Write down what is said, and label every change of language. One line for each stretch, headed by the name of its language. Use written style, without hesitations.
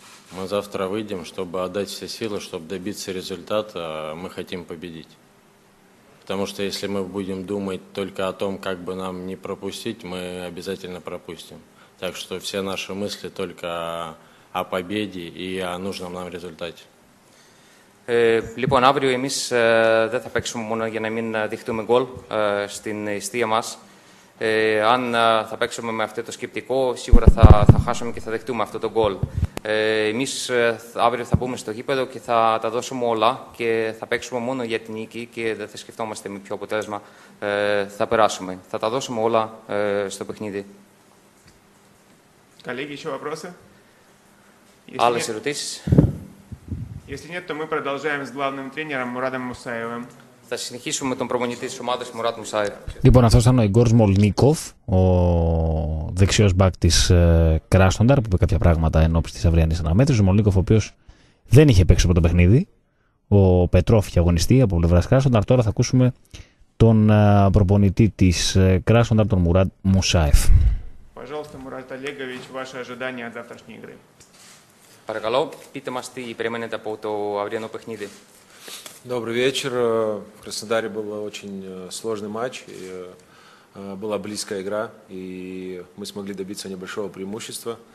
Russian: Мы завтра выйдем, чтобы отдать все силы, чтобы добиться результата. Мы хотим победить. Потому что если мы будем думать только о том, как бы нам не пропустить, мы обязательно пропустим. Так что все наши мысли только о победе и о нужном нам результате.
Greek: Λοιπόν, αύριο εμείς δεν θα παίξουμε μόνο για να μην δεχτούμε γκολ στην εστία μας. Αν θα παίξουμε με αυτό το σκεπτικό, σίγουρα θα χάσουμε και θα δεχτούμε αυτό το γκολ. Εμείς αύριο θα μπούμε στο γήπεδο και θα τα δώσουμε όλα και θα παίξουμε μόνο για την νίκη και δεν θα σκεφτόμαστε με ποιο αποτέλεσμα θα περάσουμε. Θα τα δώσουμε όλα στο παιχνίδι. Καλή και ερώτηση. Άλλες ερωτήσεις.
Russian: Если нет, то мы продолжаем с главным тренером Мурадом Мусаевым.
Greek: Θα συνεχίσουμε με τον προπονητή της ομάδας Μουράτ Μουσάεφ. Λοιπόν, αυτός ήταν ο Ιγκόρ Σμολνίκοφ, ο δεξιός μπακ της Krasnodar, που είπε κάποια πράγματα ενώπιση της αυριανής αναμέτρησης. Ο Σμολνίκοφ, ο οποίος δεν είχε παίξει από το παιχνίδι. Ο Πετρόφ είχε αγωνιστεί από πλευράς Krasnodar. Τώρα θα ακούσουμε τον προπονητή της Krasnodar, τον Μουράτ Μουσάεφ.
Russian: Пожалуйста, Мурат Олегович, ваши ожидания от завтрашней игры.
Greek: Παρακαλώ, πείτε μας τι περιμένετε από το αυριανό παιχνίδι.
Russian: Добрый вечер. В Краснодаре был очень сложный матч. Была близкая игра, и мы смогли добиться небольшого преимущества.